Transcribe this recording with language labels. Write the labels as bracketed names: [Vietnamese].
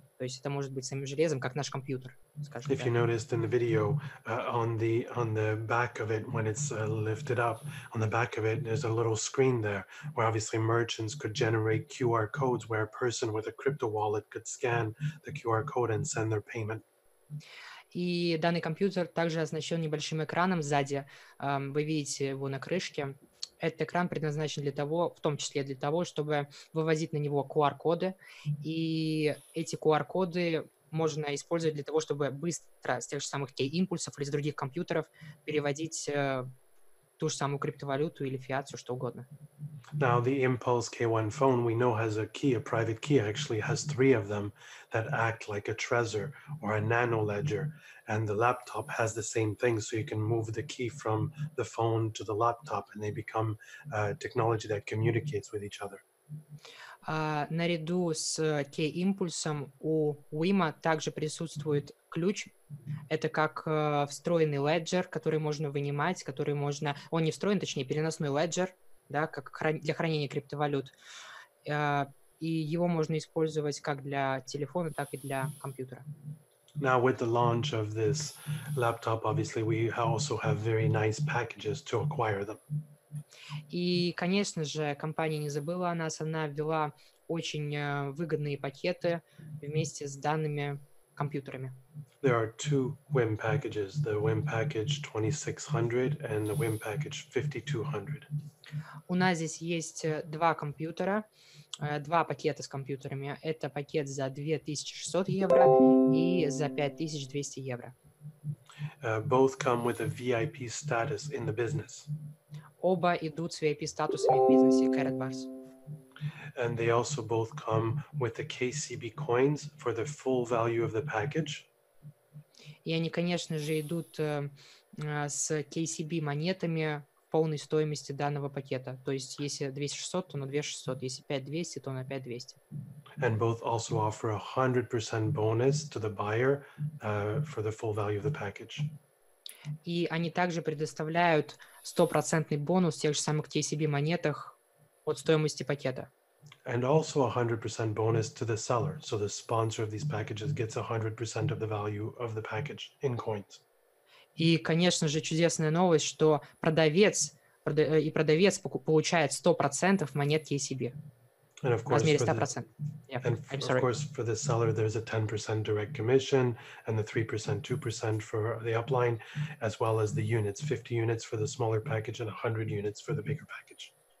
[Russian] То есть это может быть самим железом, как наш компьютер, скажем так. [English] If you noticed in the video, on the back of it, when it's lifted up, on the back of it, there's a little screen there where obviously merchants could generate QR codes where a person with a crypto wallet could scan the QR code and send their payment. [Russian] И данный компьютер также оснащен небольшим экраном сзади. Вы видите его на крышке. Этот экран предназначен для того, в том числе для того, чтобы вывозить на него QR-коды. И эти QR-коды можно использовать для того, чтобы быстро с тех же самых K-импульсов или с других компьютеров переводить ту же самую криптовалюту или фиат, все что угодно. [English] Now the Impulse K1 phone we know has a key, a private key, actually has three of them that act like a Trezor or a Nano Ledger. And the laptop has the same thing, so you can move the key from the phone to the laptop and they become technology that communicates with each other. [Russian] Наряду с K-импульсом у WIM-а также присутствует ключ. Это как встроенный ledger, который можно вынимать, который можно... Он не встроен, точнее, переносной ledger, да, как для хранения криптовалют. И его можно использовать как для телефона, так и для компьютера. [English] Now, with the launch of this laptop, obviously, we also have very nice packages to acquire them. [Russian] И, конечно же, компания не забыла о нас. Она ввела очень выгодные пакеты вместе с данными компьютерами. [English] There are two WIM packages, the WIM package 2600 and the WIM package 5200. [Russian] У нас здесь есть два компьютера, два пакета с компьютерами. Это пакет за 2600 евро и за 5200 евро. [English] Both come with a VIP status in the business. [Russian] Оба идут с VIP-статусами в бизнесе Karat Bars. [English] And they also both come with the KCB coins for the full value of the package. [Russian] И они, конечно же, идут с KCB монетами полной стоимости данного пакета. То есть, если 2600, то на 2600. Если 5200, то на 5200. [English] And both also offer 100% bonus to the buyer for the full value of the package. [Russian] И они также предоставляют 100% бонус тех же самых KCB монетах от стоимости пакета. [English] And also 100% bonus to the seller. So the sponsor of these packages gets 100% of the value of the package in coins. [Russian] И, конечно же, чудесная новость, что продавец получает 100% монет KCB. [English] And of course, for the seller, there's a 10% direct commission and the 3%, 2% for the upline, as well as the units, 50 units for the smaller package and 100 units for the bigger package.